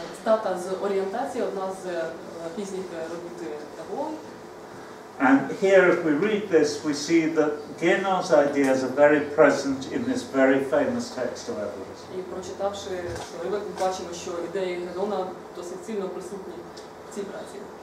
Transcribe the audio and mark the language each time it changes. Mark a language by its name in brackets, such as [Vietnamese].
[Ukrainian] Стата з орієнтації, одна з пізніх робіт Евола. [English] And here if we read this, we see that Genon's ideas are very present in this very famous text of Evola's. [Ukrainian] І прочитавши, ми бачимо, що ідеї Генона досить сильно присутні в цій праці.